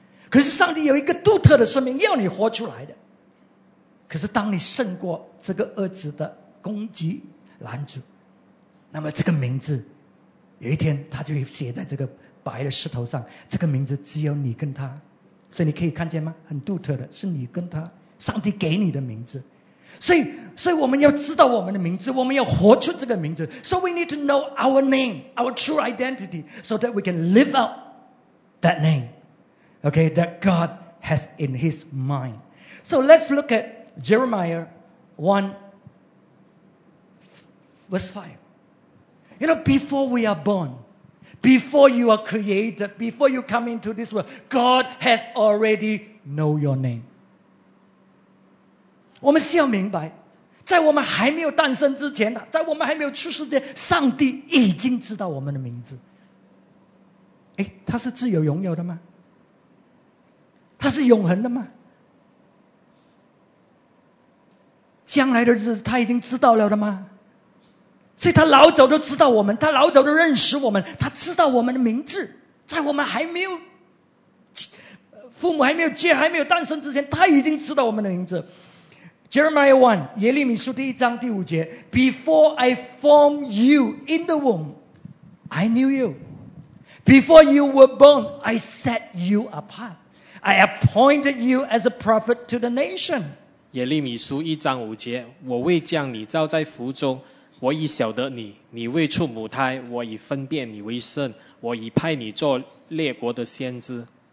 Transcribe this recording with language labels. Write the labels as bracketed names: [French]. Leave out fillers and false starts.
[Chinese] 可是上帝有一个独特的生命要你活出来的。可是当你胜过这个恶者的攻击拦阻，那么这个名字有一天他就写在这个白的石头上，这个名字只有你跟他。所以你可以看见吗？很独特的是你跟他，上帝给你的名字。所以我们要知道我们的名字，我们要活出这个名字。 [English] So we need to know our name, our true identity, so that we can live out that name, okay, that God has in his mind. So let's look at Jeremiah 1 verse 5. You know, before we are bornBefore you are created, before you come into this world, God has already know your name. [Chinese] 我们需要明白，在我们还没有诞生之前，在我们还没有出世之前，上帝已经知道我们的名字。诶，他是自由拥有的吗？他是永恒的吗？将来的日子他已经知道了的吗？所以他老早就知道我们，他老早就认识我们，他知道我们的名字，在我们还没有父母还没有结还没有诞生之前，他已经知道我们的名字。 [English] Jeremiah 1 [Chinese] 耶利米书第一章第五节， [English] Before I formed you in the womb I knew you. Before you were born I set you apart. I appointed you as a prophet to the nation. [Chinese] 耶利米书一章五节，我未将你造在腹中，我已晓得你，你未出母胎，我已分辨你为圣，我已派你做列国的先知。